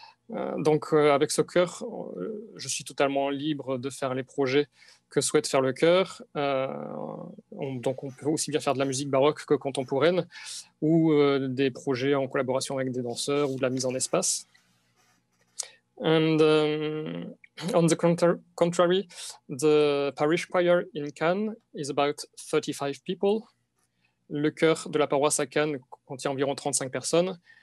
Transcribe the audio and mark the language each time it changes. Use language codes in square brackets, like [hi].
[fr] Donc avec ce chœur, je suis totalement libre de faire les projets que souhaite faire le chœur. Donc on peut aussi bien faire de la musique baroque que contemporaine, ou des projets en collaboration avec des danseurs, ou de la mise en espace. [en] And on the contrary, the parish choir in Cannes is about 35 people. [fr] Le chœur de la paroisse à Cannes contient environ 35 personnes.